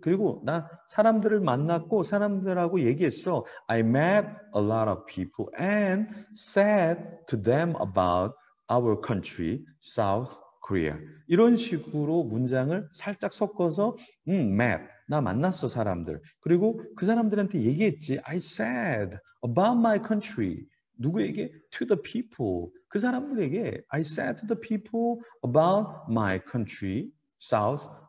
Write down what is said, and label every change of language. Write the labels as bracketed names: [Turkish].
[Korean] 그리고 나 사람들을 만났고 사람들하고 얘기했어. [English] I met a lot of people and said to them about our country, South Korea. [Korean] 이런 식으로 문장을 살짝 섞어서 met, 나 만났어 사람들. 그리고 그 사람들한테 얘기했지. [English] I said about my country. [Korean] 누구에게? [English] To the people. [Korean] 그 사람들에게 [English] I said to the people about my country, South Korea.